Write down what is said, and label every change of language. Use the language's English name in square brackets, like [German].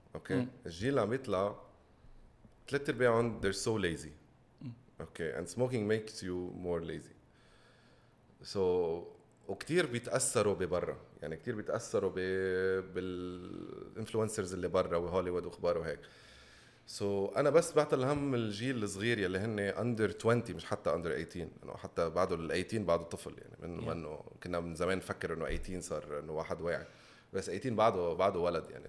[Arabic] أوكي الجيل اللي عم بيطلع ثلاثة أرباعهم [English] they're so lazy. Okay and smoking makes you more lazy. [Arabic] So وكتير بيتأثروا ببرا يعني كتير بيتأثروا بالإنفلونسرز اللي برا وهوليوود وخبار وهيك. سو أنا بس بعطي الهم الجيل الصغير يلي هن under 20 مش حتى under 18 إنه يعني حتى بعده ال 18 بعده طفل يعني من ما إنه كنا من زمان نفكر إنه 18 صار إنه واحد واعي بس 18 بعده ولد يعني.